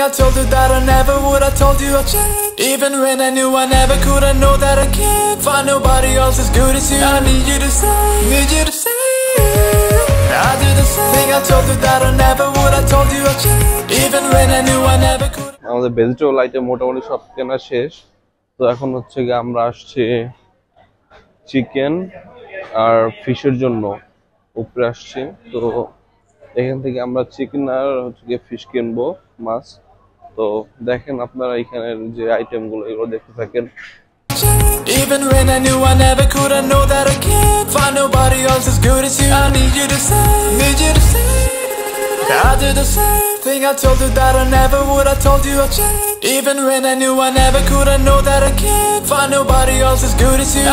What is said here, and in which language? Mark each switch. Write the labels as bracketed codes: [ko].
[en] I told you that I never would, I told you I changed. Even when I knew I never could, I know that I can't find nobody else as good as you. I need you to say, need you to say. I do the same thing. I told you that I never would, I told you I changed. Even when I knew I never could. [bn] আমাদের vegetable item মোটামুটি সব কেনা শেষ। তো এখন হচ্ছে গিয়ে আমরা আসছি চিকেন আর ফিশের জন্য উপরে আসছি। তো এখান থেকে আমরা চিকেন আর হচ্ছে গিয়ে ফিশ কিনবো মাছ। তো দেখেন আপনারা এখানের যে আইটেম গুলো এগুলো দেখতে থাকেন। [en] Even when I knew I never could, I know that I can't find nobody else as good as you. I need you to say, need you to say. I did the same thing, I told you that I never would, I told you I'd change. Even when I knew I never could, I know that I can't find nobody else as good as you.